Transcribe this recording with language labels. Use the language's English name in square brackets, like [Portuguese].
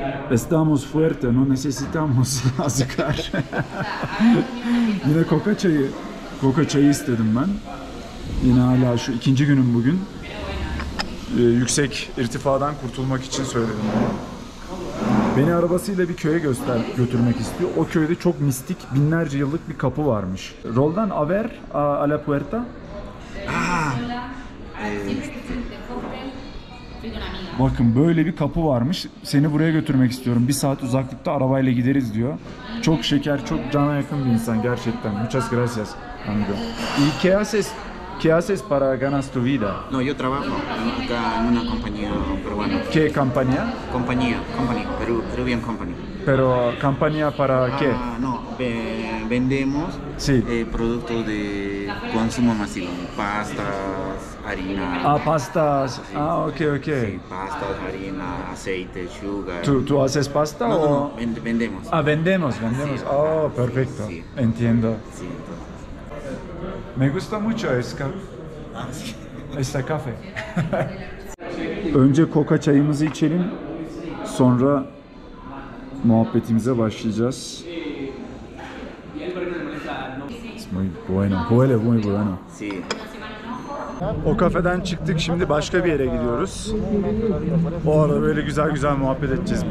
[Spanish] Estamos fuerte, no necesitamos azúcar. [Turkish] Yine koka çayı istedim ben. Yine hala şu ikinci günüm bugün. Yüksek irtifadan kurtulmak için söyledim. Beni arabasıyla bir köye götürmek istiyor. O köyde çok mistik, binlerce yıllık bir kapı varmış. [Spanish] Roldan, a ver a la puerta. [Turkish] Bakın böyle bir kapı varmış. Seni buraya götürmek istiyorum. Bir saat uzaklıkta arabayla gideriz diyor. Çok şeker, çok cana yakın bir insan gerçekten. [Spanish] Muchas gracias. Amigo. ¿Y qué haces para ganas tu vida? No, yo trabajo acá en una compañía peruana. ¿Qué compañía? Compañía, Peruvian Company. ¿Pero compañía para qué? No, vendemos sí. Productos de consumo masivo, pastas, harina. Ah, pastas. Sí, ah, ok. Sí, pastas, harina, aceite, sugar. ¿Tú haces pasta no, o...? No, vendemos. Ah, vendemos. Sí, oh, perfecto. Sí. Entiendo. Sí, entonces. Me gusta mucho este café. [Turkish] Önce koka çayımızı içelim. Sonra muhabbetimize başlayacağız. [Spanish] bueno. Huele muy bueno. Sí. [Turkish] O kafeden çıktık, şimdi başka bir yere gidiyoruz. O arada böyle güzel güzel muhabbet edeceğiz.